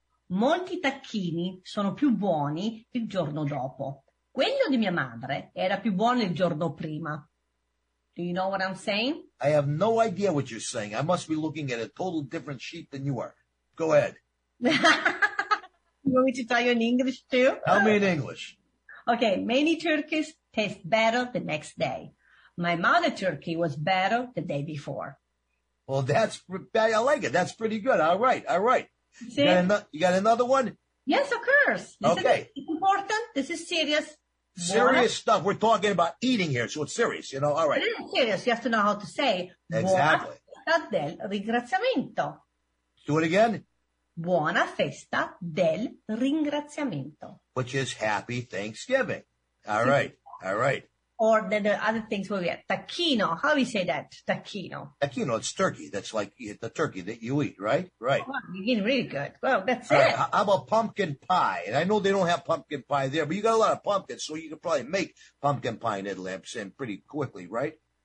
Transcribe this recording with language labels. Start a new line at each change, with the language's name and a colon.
Italian: Molti tacchini sono più buoni il giorno dopo. Quello di mia madre era più buono il giorno prima.
English: Do you know what I'm saying? I have no idea what you're saying. I must be looking at a total different sheet than you are. Go ahead. You want me to tell you in English, too? Tell me in English. Okay, many turkeys taste better the next day. My mother turkey was better the day before. Well, that's, I like it. That's pretty good. All right. See? You got another one? Yes, of course. Okay. This is important. This is serious. Serious buona. Stuff. We're talking about eating here, so it's serious, you know. All right. It is serious. You have to know how to say exactly.
Italian: Buona del ringraziamento.
English: Do it again.
Italian: Buona Festa del Ringraziamento.
English: Which is Happy Thanksgiving. All right. All right. Or the other things we'll get. Tacchino. How do you say that? Tacchino. Tacchino, it's turkey. That's like the turkey that you eat, right? Right. Oh, wow. You're eating really good. Well, that's all it. Right. How about pumpkin pie? And I know they don't have pumpkin pie there, but you got a lot of pumpkins, so you could probably make pumpkin pie in Atlanta and pretty quickly, right?